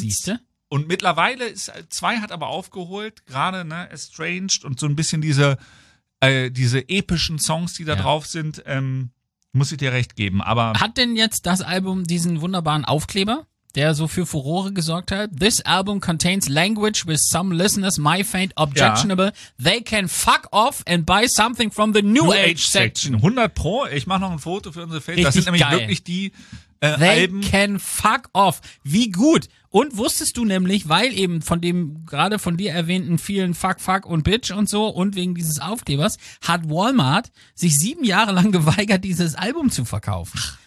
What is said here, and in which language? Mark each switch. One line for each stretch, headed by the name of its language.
German: Siehste? Und mittlerweile ist 2 hat aber aufgeholt, gerade, ne, Estranged und so ein bisschen diese diese epischen Songs, die da drauf sind, muss ich dir recht geben. Aber hat denn jetzt das Album diesen wunderbaren Aufkleber, der so für Furore gesorgt hat?
English: This album contains language with some listeners might find objectionable.
German: Ja.
English: They can fuck off and buy something from the New Age Section.
German: 100 pro. Ich mache noch ein Foto für unsere Fans. Das sind nämlich geil, wirklich die Alben.
English: They can fuck off.
German: Wie gut. Und wusstest du nämlich, weil eben von dem gerade von dir erwähnten vielen Fuck, Fuck und Bitch und so und wegen dieses Aufklebers, hat Walmart sich 7 Jahre lang geweigert, dieses Album zu verkaufen.